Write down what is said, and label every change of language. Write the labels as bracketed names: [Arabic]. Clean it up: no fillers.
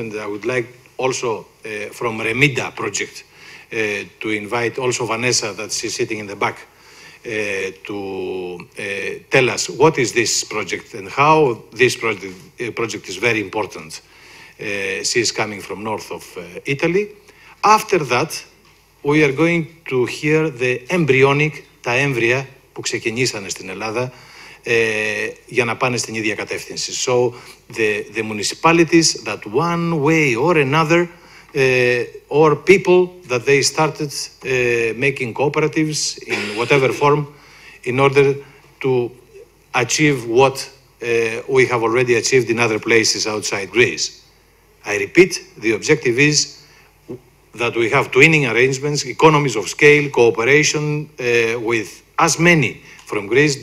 [English] And I would like also from REMIDA project to invite also Vanessa, that she's sitting in the back, to tell us what is this project and how this project is very important. She is coming from north of Italy. After that, we are going to hear the embryonic, [Greek] τα έμβρια που ξεκινήσανε στην Ελλάδα για να πάνε στην ίδια κατεύθυνση. [English] So the municipalities that one way or another or people that they started making cooperatives in whatever form in order to achieve what we have already achieved in other places outside Greece. I repeat, the objective is that we have twinning arrangements, economies of scale, cooperation with as many from Greece.